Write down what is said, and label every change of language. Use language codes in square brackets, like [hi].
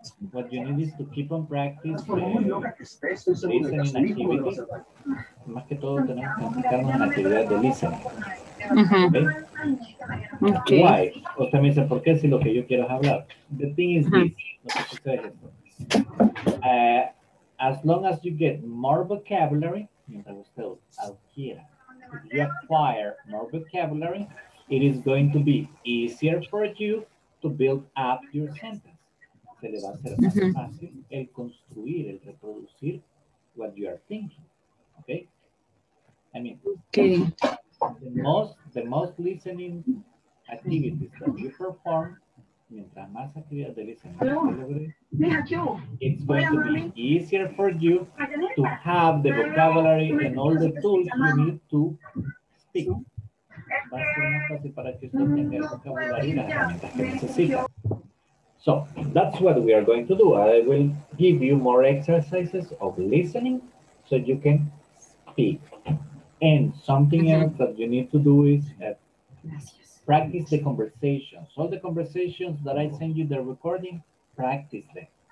[en] What you need is to keep on practice listening activities. [es] Más que todo tenemos que practicarnos en actividad de listening. Uh-huh. [en] Okay. Why? [es] O sea, me dice, ¿por qué? Si lo que yo quiero es hablar. [en] The thing is, uh-huh, this. As long as you get more vocabulary, [es] mientras usted adquiera, [en] if you acquire more vocabulary, it is going to be easier for you to build up your sentence. [es] Se le va a hacer más, uh-huh, fácil el construir, el reproducir [en] what you are thinking. [es] Okay? I mean, [en] okay, the most listening activities that you perform, [es] mientras más actividades de listening, [en] it's going to be easier for you to have the vocabulary and all the tools you need to speak. [es] Va a ser más fácil para que usted tenga el vocabulario y las herramientas que necesita. [en] So that's what we are going to do. I will give you more exercises of listening so you can speak. And something, mm-hmm, else that you need to do is practice the conversations. All the conversations that I send you the recording, practice them.